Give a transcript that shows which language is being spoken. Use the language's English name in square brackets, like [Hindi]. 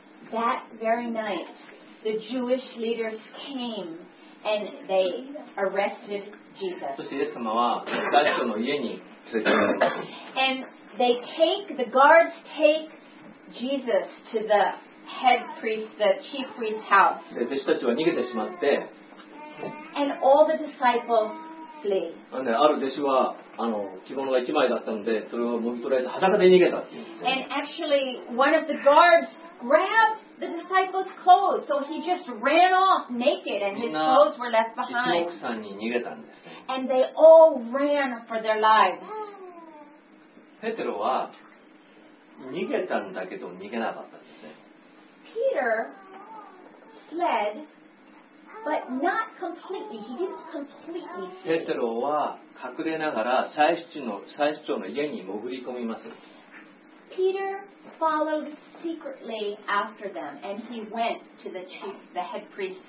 [English] That very night, the Jewish leaders came and they arrested Jesus. [Japanese] そしてイエス様は大将の家に連れて行く。 [English] And they take, the guards take Jesus to the head priest, the chief priest's house. [Japanese] で、弟子たちは逃げてしまって。 [English] And all the disciples flee. [Japanese] なんで、ある弟子は着物が一枚だったので、それを脱ぎ取られて裸で逃げたって言って。 [English] And actually, one of the guards grabbed the disciples' clothes, so he just ran off naked, and his clothes were left behind. And they all ran for their lives. Peter was [Japanese] 逃げたんだけど逃げなかったですね。 [English] Peter fled, but not completely. He didn't completely flee. Peter was [Japanese] 隠れながら祭司長の家に潜り込みます。 [English] Peter followed secretly after them, and he went to the head priest's house.